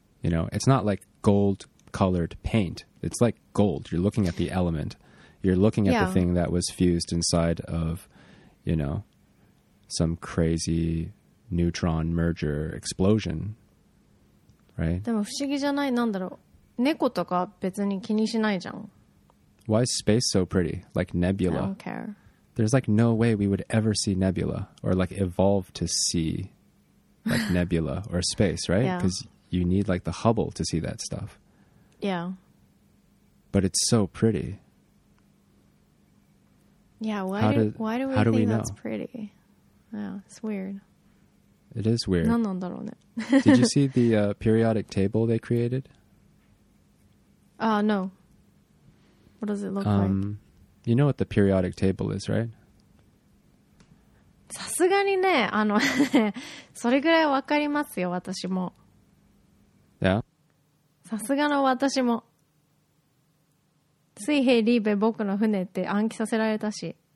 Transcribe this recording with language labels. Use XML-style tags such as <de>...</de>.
<en>You know, it's not like gold colored paint. It's like gold. You're looking at the element. You're looking at the thing that was fused inside of, you know, some crazy neutron merger explosion. Right?</en> <ja>でも不思議じゃない。なんだろう。猫とか別に気にしないじゃん。</ja> <en>Why is space so pretty? Like nebula. I don't care. There's like no way we would ever see nebula or like evolve to see like nebula or space, right? Because you need like the Hubble to see that stuff. Yeah. But it's so pretty. Yeah, why do we think that's pretty? Yeah, it's weird. It is weird.</en> <ja>何なんだろうね。</ja> <en>Did you see the periodic table they created? No. What does it look like? You know what the periodic table is, right?</en> <ja>さすがにね、あのそれぐらいわかりますよ、私も。</ja> <en>Yeah?</en> <ja>さすがの私も。水平リーベ僕の船って暗記させられたし。</ja>